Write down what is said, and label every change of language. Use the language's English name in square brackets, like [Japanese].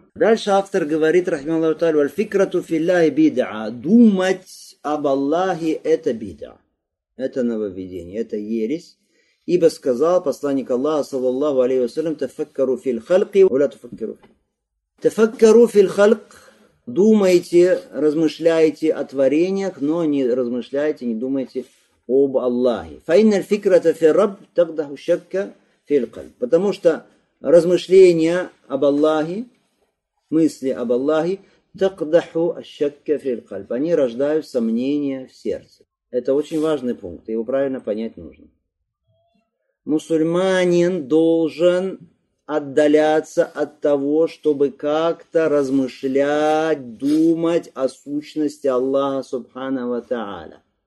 [Russian] Дальше автор говорит, [Arabic] رحمه الله تعالى, والفكرة في الله بدعة. [Russian] Думать об Аллахе это بدعة. Это нововведение, это ересь. Ибо сказал посланник Аллаха, [Arabic] صلى الله عليه وسلم, تفكروا في الخلق ولا تفكروا في. تفكروا في الخلق. [Russian] Думайте, размышляйте о творениях, но не размышляйте, не думайте об Аллахе. [Arabic] فإن الفكرة في الرب تقدح الشك. [Russian] Потому что размышления об Аллахе, мысли об Аллахе, [Arabic] تقدحوا الشك في القلب. [Russian] Они рождают сомнения в сердце. Это очень важный пункт, его правильно понять нужно. Мусульманин должен отдаляться от того, чтобы как-то размышлять, думать о сущности Аллаха Субханаху ва Тааля.